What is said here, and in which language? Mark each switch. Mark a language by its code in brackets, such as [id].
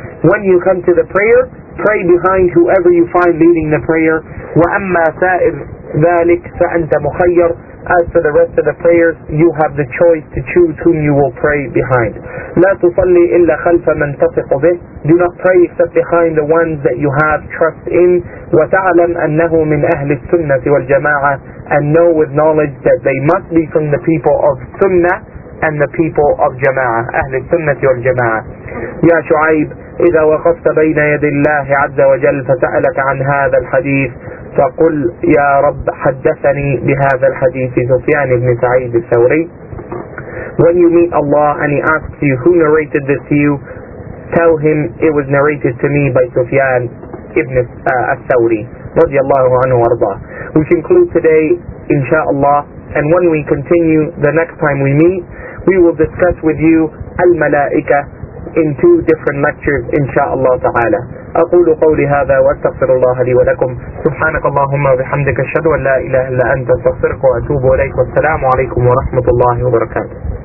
[en] When you come to the prayer, pray behind whoever you find leading the prayer. [ar] وَأَمَّا سَائِرْ ذلك فأنت مخير. [en] As for the rest of the prayers, you have the choice to choose whom you will pray behind. [ar] لا تصلي إلا خلف من تثق به. [en] Do not pray except behind the ones that you have trust in. [ar] وتعلم أنه من أهل السنة والجماعة. [en] And know with knowledge that they must be from the people of Sunnah and the people of Jama'ah. [ar] أهل السنة والجماعة. يا شعيب إذا وقفت بين يدي الله عز وجل فسألك عن هذا الحديث فقل يا رب حدثني بهذا الحديث سفيان بن سعيد الثوري. [en] When you meet Allah and He asks you who narrated this to you, tell Him it was narrated to me by Sufyan ibn al-Thawri [ar] رضي الله عنه وارضاه. [en] We conclude today inshaAllah, and when we continue the next time we meet, we will discuss with you al-Malaika in two different lectures inshaAllah ta'ala. [ar] أقول قولي هذا وأستغفر الله لي ولكم. سبحانك اللهم وبحمدك أشهد أن لا إله إلا أنت أستغفرك وأتوب إليك. والسلام عليكم ورحمة الله وبركاته.